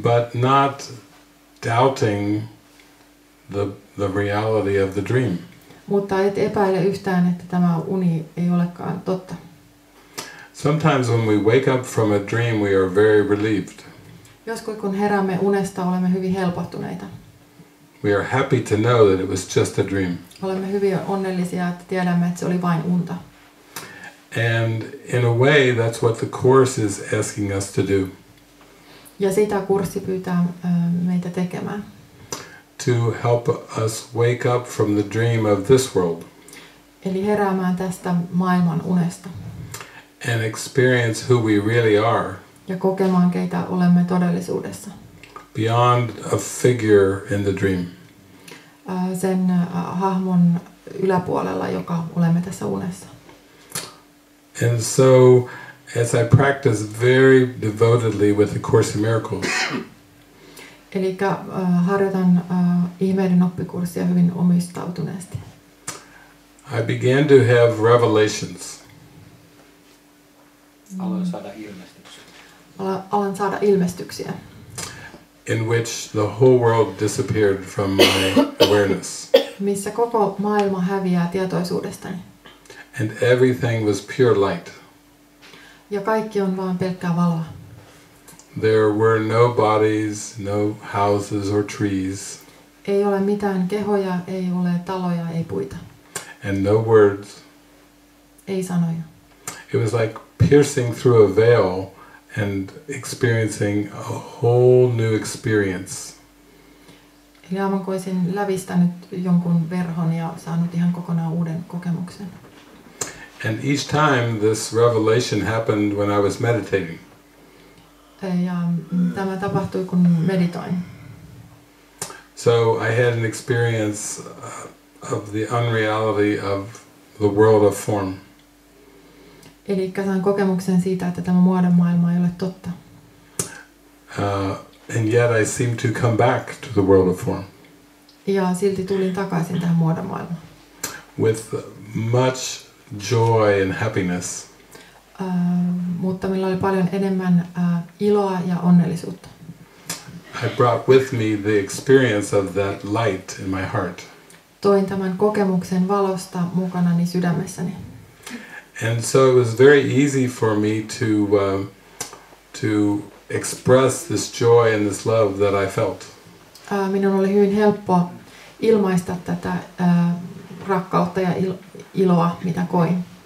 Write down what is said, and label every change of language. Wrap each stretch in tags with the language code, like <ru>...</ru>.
<en>But not doubting the reality of the dream.</en> <fi>Mutta et epäile yhtään, että tämä uni ei olekaan totta.</fi> <en>Sometimes when we wake up from a dream, we are very relieved.</en> <fi>Joskus kun heräämme unesta, olemme hyvin helpottuneita.</fi> <en>We are happy to know that it was just a dream.</en> <fi>Olemme hyvin onnellisia, että tiedämme, että se oli vain unta.</fi> <en>And in a way, that's what the Course is asking us to do.</en> <fi>Ja sitä kurssi pyytää meitä tekemään.</fi> <en>To help us wake up from the dream of this world.</en> <fi>Eli heräämään tästä maailman unesta.</fi> <en>And experience who we really are.</en> <fi>Ja kokemaan, keitä olemme todellisuudessa.</fi> <en>Beyond a figure in the dream.</en> <fi>Sen hahmon yläpuolella, joka olemme tässä unessa.</fi> <en>And so, as I practice very devotedly with the Course in Miracles.</en> <fi>Eli harjoitan ihmeiden oppikurssia hyvin omistautuneesti.</fi> <en>I began to have revelations.</en> <fi>Alan saada ilmestyksiä.</fi> <en>In which the whole world disappeared from my awareness.</en> <fi>Missä koko maailma häviää tietoisuudestani.</fi> <en>And everything was pure light.</en> <fi>Ja kaikki on vaan pelkkää valoa.</fi> <en>There were no bodies, no houses or trees.</en> <fi>Ei ole mitään kehoja, ei ole taloja, ei puita.</fi> <en>And no words.</en> <fi>Ei sanoja.</fi> <en>It was like piercing through a veil and experiencing a whole new experience.</en> <fi>Eli aivan kuin olisin lävistänyt jonkun verhon ja saanut ihan kokonaan uuden kokemuksen.</fi> <en>And each time this revelation happened when I was meditating.</en> <fi>Ja tämä tapahtui kun meditoin.</fi> <en>So I had an experience of the unreality of the world of form.</en> <fi>Eli sain kokemuksen siitä, että tämä muodon maailma ei ole totta.</fi> <en>And yet I seem to come back to the world of form.</en> <fi>Ja silti tulin takaisin tähän muodon maailmaan.</fi> <en>With much joy and happiness.</en> <fi>Mutta meillä oli paljon enemmän iloa ja onnellisuutta.</fi> <en>I brought with me the experience of that light in my heart.</en> <fi>Toin tämän kokemuksen valosta mukanani sydämessäni.</fi> <en>And so it was very easy for me to express this joy and this love that I felt.</en> <fi>Minun oli hyvin helppo ilmaista tätä rakkautta ja iloa, mitä koin.</fi>